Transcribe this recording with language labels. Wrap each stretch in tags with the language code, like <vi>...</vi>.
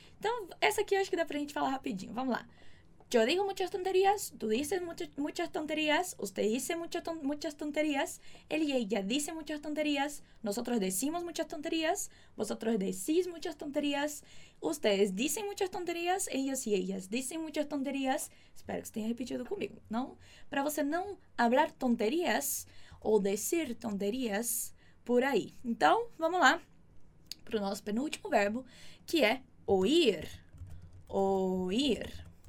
<pt>Então, essa aqui eu acho que dá pra gente falar rapidinho, vamos lá.</pt> <es>Yo digo muchas tonterías, tú dices muchas tonterías, usted dice muchas tonterías, él y ella dice muchas tonterías, nosotros decimos muchas tonterías, vosotros decís muchas tonterías, ustedes dicen muchas tonterías, ellos y ellas dicen muchas tonterías.</es> <pt>Espero que se tenha repetido comigo, não? Para você não</pt> <es>hablar tonterías</es> <pt>ou</pt> <es>decir tonterías</es> <pt>por aí. Então, vamos lá para o nosso penúltimo verbo, que é oír.</pt> <es>Oír.</es>